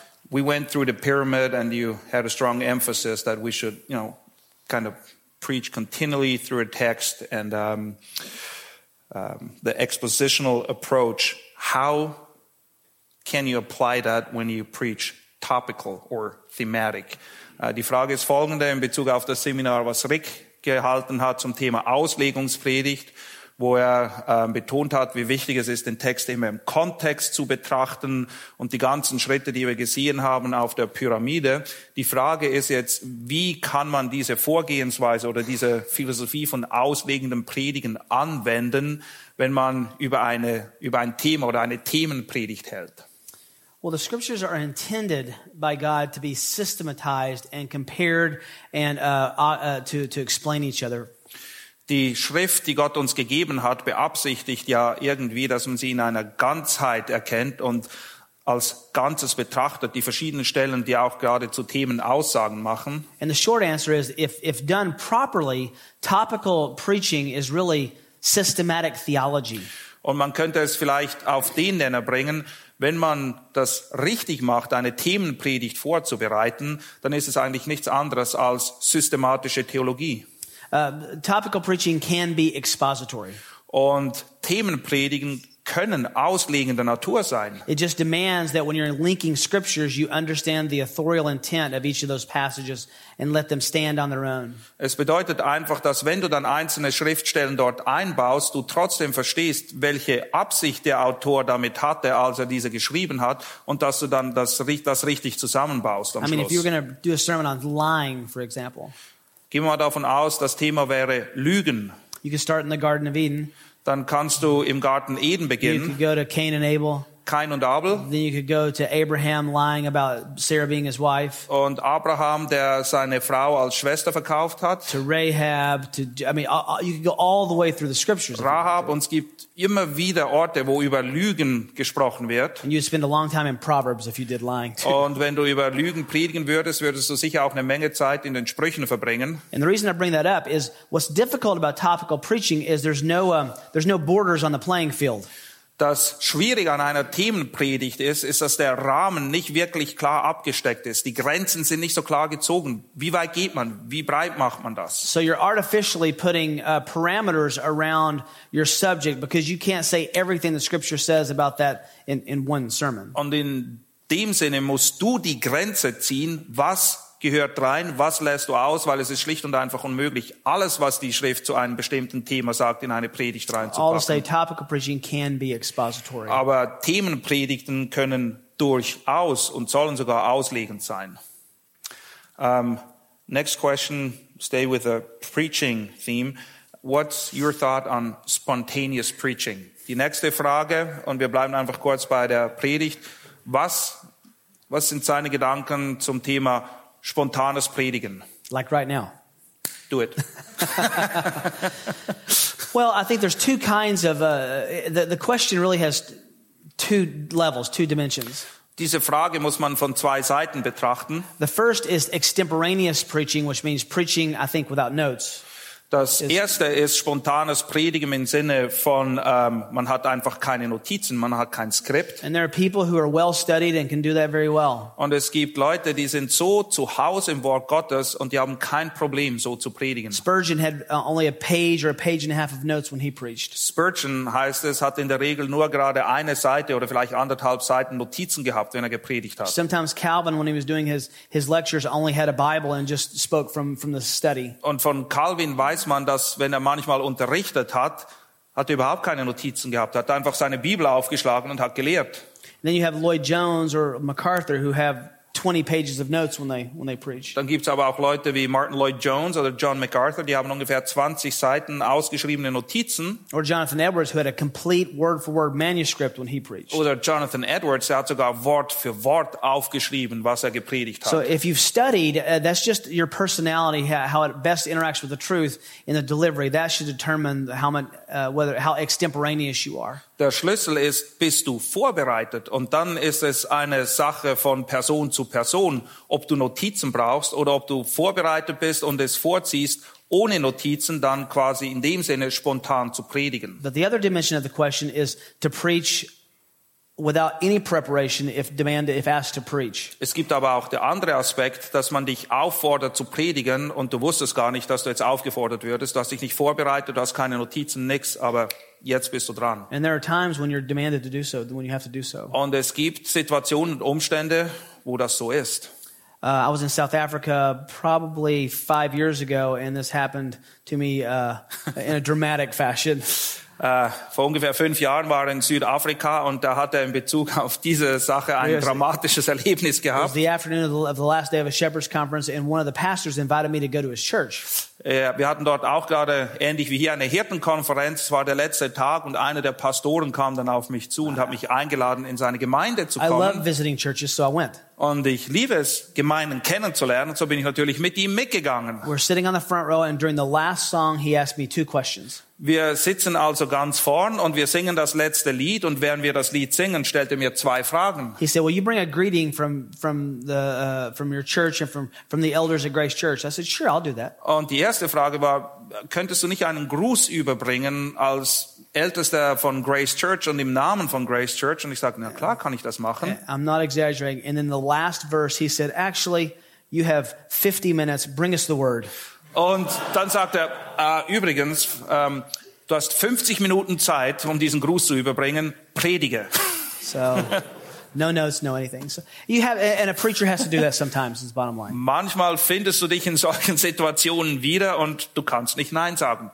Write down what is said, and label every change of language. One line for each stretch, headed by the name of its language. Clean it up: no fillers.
English: We went through the pyramid, and you had a strong emphasis that we should, you know, kind of preach continually through a text and the expositional approach. How can you apply that when you preach topical or thematic?
German: Die Frage ist folgende in Bezug auf das Seminar, was Rick gehalten hat zum Thema Auslegungspredigt, wo er betont hat, wie wichtig es ist, den Text immer im Kontext zu betrachten und die ganzen Schritte, die wir gesehen haben auf der Pyramide. Die Frage ist jetzt, wie kann man diese Vorgehensweise oder diese Philosophie von auslegendem Predigen anwenden, wenn man über ein Thema oder eine Themenpredigt hält?
English: Well, the scriptures are intended by God to be systematized and compared and to explain each other.
German: Die Schrift, die Gott uns gegeben hat, beabsichtigt ja irgendwie, dass man sie in einer Ganzheit erkennt und als Ganzes betrachtet, die verschiedenen Stellen, die auch gerade zu Themen Aussagen machen.
English: And the short answer is, if done properly, topical preaching is really systematic theology.
German: Und man könnte es vielleicht auf den Nenner bringen, wenn man das richtig macht, eine Themenpredigt vorzubereiten, dann ist es eigentlich nichts anderes als systematische Theologie.
English: Topical preaching can be expository.
German: Und Themenpredigen können auslegender Natur sein.
English: It just demands that when you're linking scriptures, you understand the authorial intent of each of those passages and let them stand on their own.
German: Es bedeutet einfach, dass wenn du dann einzelne Schriftstellen dort einbaust, du trotzdem verstehst, welche Absicht der Autor damit hatte, als er diese geschrieben hat, und dass du dann das richtig zusammenbaust am Schluss.
English: I mean, if you're going to do a sermon on lying, for example.
German: Gehen wir mal davon aus, das Thema wäre Lügen.
English: You can start in the Garden of Eden.
German: Dann kannst du im Garten Eden beginnen.
English: You could go to Cain and Abel.
German: Cain und Abel.
English: Then you could go to Abraham lying about Sarah being his wife.
German: Und Abraham, der seine Frau als Schwester verkauft hat.
English: To Rahab, you could go all the way through the scriptures.
German: Rahab, und es gibt immer wieder Orte, wo über Lügen gesprochen wird.
English: And you'd spend a long time in Proverbs if you did lying too.
German: Und wenn du über Lügen predigen würdest, würdest du sicher auch eine Menge Zeit in den Sprüchen verbringen.
English: And the reason I bring that up is what's difficult about topical preaching is there's no borders on the playing field.
German: Das Schwierige an einer Themenpredigt ist, dass der Rahmen nicht wirklich klar abgesteckt ist. Die Grenzen sind nicht so klar gezogen. Wie weit geht man? Wie breit macht man das?
English: So you're artificially putting parameters around your subject because you can't say everything the scripture says about that in one sermon.
German: Und in dem Sinne musst du die Grenze ziehen, was gehört rein, was lässt du aus, weil es ist schlicht und einfach unmöglich, alles, was die Schrift zu einem bestimmten Thema sagt, in eine Predigt reinzupacken.
English: I'll say topical preaching can be expository.
German: Aber Themenpredigten können durchaus und sollen sogar auslegend sein.
English: Next question, stay with the preaching theme. What's your thought on spontaneous preaching?
German: Die nächste Frage, und wir bleiben einfach kurz bei der Predigt. Was sind seine Gedanken zum Thema spontanes Predigen?
English: Like right now. Do it. Well, I think there's two kinds of, the question really has two levels, two dimensions.
German: Diese Frage muss man von zwei Seiten betrachten.
English: The first is extemporaneous preaching, which means preaching, I think, without notes.
German: Das erste ist spontanes Predigen im Sinne von, man hat einfach keine Notizen, man hat kein Skript.
English: And there are people who are well studied and can do that very well.
German: Und es gibt Leute, die sind so zu Hause im Wort Gottes und die haben kein Problem, so zu predigen.
English: Spurgeon had only a page or a page and a half of notes when he preached.
German: Spurgeon, heißt es, hat in der Regel nur gerade eine Seite oder vielleicht anderthalb Seiten Notizen gehabt, wenn er gepredigt hat.
English: Sometimes Calvin, when he was doing his lectures, only had a Bible and just spoke from the study.
German: Und von Calvin weiß man, dass wenn er manchmal unterrichtet hat, hat er überhaupt keine Notizen gehabt, hat einfach seine Bibel aufgeschlagen und hat gelehrt.
English: Then you have Lloyd Jones or MacArthur who have 20 pages of notes when they preach.
German: Dann gibt's aber auch Leute wie Martin Lloyd Jones oder John MacArthur, die haben ungefähr 20 Seiten ausgeschriebene Notizen.
English: Or Jonathan Edwards who had a complete word for word manuscript when he preached.
German: Oder Jonathan Edwards, der hat sogar Wort für Wort aufgeschrieben, was er gepredigt hat.
English: So if you've studied, that's just your personality, how it best interacts with the truth in the delivery. That should determine how extemporaneous you are.
German: Der Schlüssel ist, bist du vorbereitet? Und dann ist es eine Sache von Person zu Person, ob du Notizen brauchst oder ob du vorbereitet bist und es vorziehst, ohne Notizen dann quasi in dem Sinne spontan zu predigen.
English: But the other dimension of the question is to preach without any preparation if asked to preach.
German: Es gibt aber auch der andere Aspekt, dass man dich auffordert zu predigen und du wusstest gar nicht, dass du jetzt aufgefordert würdest. Du hast dich nicht vorbereitet, du hast keine Notizen, nix, aber jetzt bist du dran.
English: And there are times when you're demanded to do so, when you have to do so.
German: Und es gibt Situationen und Umstände, wo das so ist.
English: I was in South Africa probably 5 years ago and this happened to me in a dramatic fashion.
German: Vor ungefähr 5 Jahren war er in Südafrika und da hat er in Bezug auf diese Sache ein dramatisches Erlebnis gehabt.
English: It was the afternoon of the last day of a shepherd's conference and one of the pastors invited me to go to his church.
German: Wir hatten dort auch gerade, ähnlich wie hier, eine Hirtenkonferenz. Es war der letzte Tag und einer der Pastoren kam dann auf mich zu und hat mich eingeladen, in seine Gemeinde zu kommen.
English: I love visiting churches, so I went.
German: Und ich liebe es, Gemeinden kennenzulernen, so bin ich natürlich mit ihm mitgegangen.
English: We're sitting on the front row and during the last song he asked me 2 questions.
German: Wir sitzen also ganz vorn und wir singen das letzte Lied und während wir das Lied singen, stellt er mir 2 Fragen.
English: He said, "Will you bring a greeting from your church and from the elders at Grace Church?" I said, "Sure, I'll do that."
German: Und die erste Frage war, könntest du nicht einen Gruß überbringen als Ältester von Grace Church und im Namen von Grace Church? Und ich sage, na klar, kann ich das machen.
English: I'm not exaggerating. And in the last verse, he said, "Actually, you have 50 minutes. Bring us the word."
German: Und dann sagt er, übrigens, du hast 50 Minuten Zeit, um diesen Gruß zu überbringen, predige.
English: So, no notes, no anything. So, you have, and a preacher has to do that sometimes, is the bottom line.
German: Manchmal findest du dich in solchen Situationen wieder und du kannst nicht Nein sagen.